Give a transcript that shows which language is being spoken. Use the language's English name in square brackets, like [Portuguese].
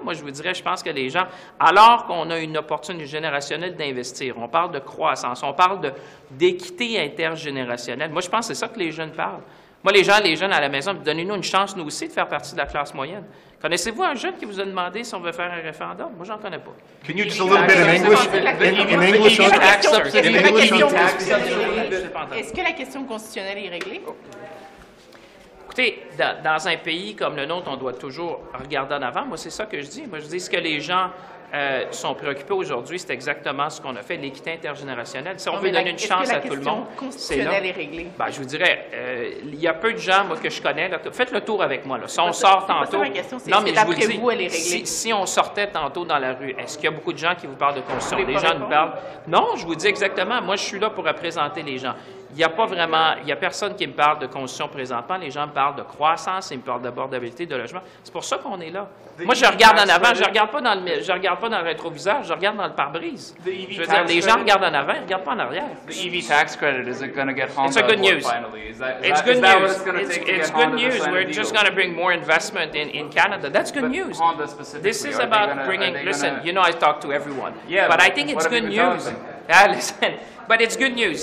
[French] Moi, je vous dirais, je pense que les gens, alors qu'on a une opportunité générationnelle d'investir, on parle de croissance, on parle d'équité intergénérationnelle. Moi, je pense que c'est ça que les jeunes parlent. Moi, les jeunes à la maison, donnez-nous une chance, nous aussi, de faire partie de la classe moyenne. Connaissez-vous un jeune qui vous a demandé si on veut faire un référendum? Moi, j'en connais pas. [English] Can you just a little bit in English? In English, on tax subsidies. [French] Est-ce que la question constitutionnelle est réglée? Écoutez, dans un pays comme le nôtre, on doit toujours regarder en avant. Moi, c'est ça que je dis. Moi, je dis ce que les gens sont préoccupés aujourd'hui, c'est exactement ce qu'on a fait, l'équité intergénérationnelle. Si on veut donner une chance à tout le monde, c'est là. La question constitutionnelle est réglée. Ben, je vous dirais, il y a peu de gens moi, que je connais. Faites le tour avec moi. Là. Si on sort tantôt... Non, mais je vous dis, elle est réglée. Si on sortait tantôt dans la rue, est-ce qu'il y a beaucoup de gens qui vous parlent de constitution? Les gens nous parlent... Non, je vous dis exactement. Moi, je suis là pour représenter les gens. Il n'y a pas vraiment... Il n'y a personne qui me parle de constitution présentement. Les gens me parlent de croissance, ils me parlent d'abordabilité, de logement. C'est pour ça qu'on est là. Moi, je regarde en avant. Je regarde pas dans le rétroviseur. Je regarde dans le pare-brise. Je veux dire, les gens regardent en avant, ils ne regardent pas en arrière. [English] The EV tax credit, is it going to get Honda finally? It's good news. We're just going to bring more investment in Canada. That's good news. This is about bringing... Listen, you know I talk to everyone. But I think it's good news. Yeah, listen... But it's good news.